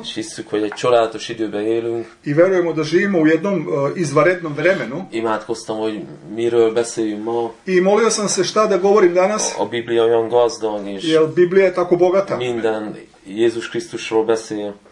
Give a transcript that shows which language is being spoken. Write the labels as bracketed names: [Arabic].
[Hungarian] És hiszük, hogy egy csodálatos időben élünk. [Serbian] I verujemo da živimo u jednom izvarednom vremenu. [Hungarian] Imádkoztam, hogy miről beszéljünk ma. [Serbian] I molio sam se šta da govorim danas. [Hungarian] A Biblia olyan gazdag is. [Serbian] Jel Biblia je tako bogata? [Hungarian] Minden Jézus Krisztusról beszél.